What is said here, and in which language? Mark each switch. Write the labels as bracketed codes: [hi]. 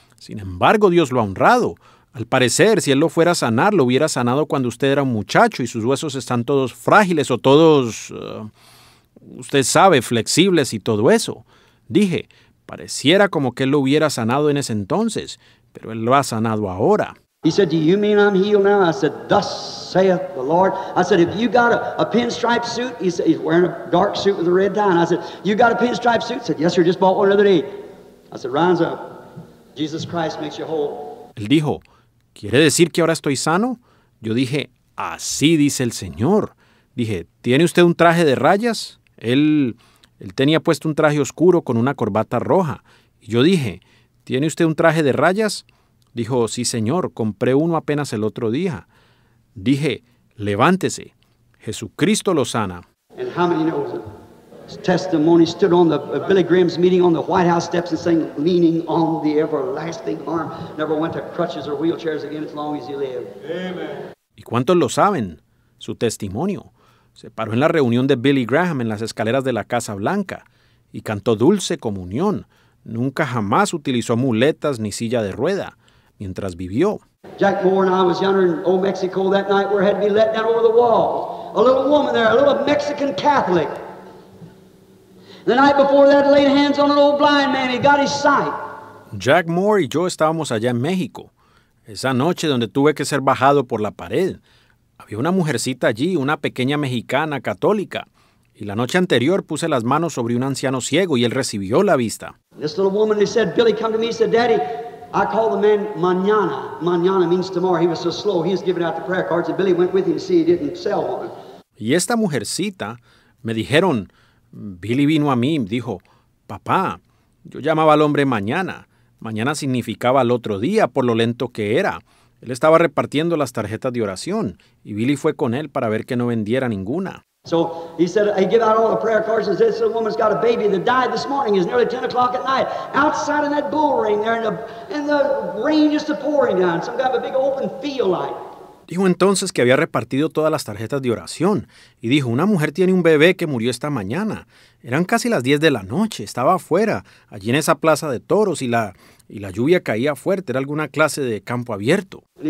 [es] Sin embargo, Dios lo ha honrado. Al parecer, si él lo fuera a sanar, lo hubiera sanado cuando usted era un muchacho y sus huesos están todos frágiles o todos, usted sabe, flexibles y todo eso. Dije, pareciera como que él lo hubiera sanado en ese entonces, pero él lo ha sanado ahora. [en] He said, do you mean I'm healed now? I said, thus saith the Lord. I said, if you got a pinstripe suit, he said, he's wearing a dark suit with a red tie. And I said, you got a pinstripe suit? He said, yes, sir, just bought one the other day. I said, rise up. Jesus Christ makes you whole. [es] Él dijo, ¿quiere decir que ahora estoy sano? Yo dije, así dice el Señor. Dije, ¿tiene usted un traje de rayas? Él tenía puesto un traje oscuro con una corbata roja. Y yo dije, ¿tiene usted un traje de rayas? Dijo, sí, señor, compré uno apenas el otro día. Dije, levántese, Jesucristo lo sana. [en] And how many know his testimony stood on the Billy Graham's meeting on the White House steps and saying, leaning on the everlasting arm, never went to crutches or wheelchairs again as long as he lived. Amen. [es] ¿Y cuántos lo saben? Su testimonio. Se paró en la reunión de Billy Graham en las escaleras de la Casa Blanca y cantó Dulce Comunión. Nunca jamás utilizó muletas ni silla de rueda mientras vivió. [en] Jack Moore and I was yonder in Old Mexico that night where I had to be let down over the wall. A little woman there, a little Mexican Catholic. The night before that, laid hands on an old blind man. He got his sight. [es] Jack Moore y yo estábamos allá en México. Esa noche donde tuve que ser bajado por la pared. Había una mujercita allí, una pequeña mexicana católica. Y la noche anterior puse las manos sobre un anciano ciego y él recibió la vista. [en] This little woman, he said, Billy, come to me. He said, Daddy, I call the man mañana. Mañana means tomorrow. He was so slow. He was giving out the prayer cards and Billy went with him to see he didn't sell one. [es] Y esta mujercita, me dijeron, Billy vino a mí, dijo, papá, yo llamaba al hombre mañana. Mañana significaba el otro día por lo lento que era. Él estaba repartiendo las tarjetas de oración y Billy fue con él para ver que no vendiera ninguna. [en] So he said, he gave out all the prayer cards and said, this woman's got a baby that died this morning. It's nearly 10 o'clock at night. Outside in that bull ring there and the rain just pouring down. Some guy with a big open field light. [es] Dijo entonces que había repartido todas las tarjetas de oración y dijo, una mujer tiene un bebé que murió esta mañana. Eran casi las 10 de la noche, estaba afuera, allí en esa plaza de toros y la lluvia caía fuerte, era alguna clase de campo abierto.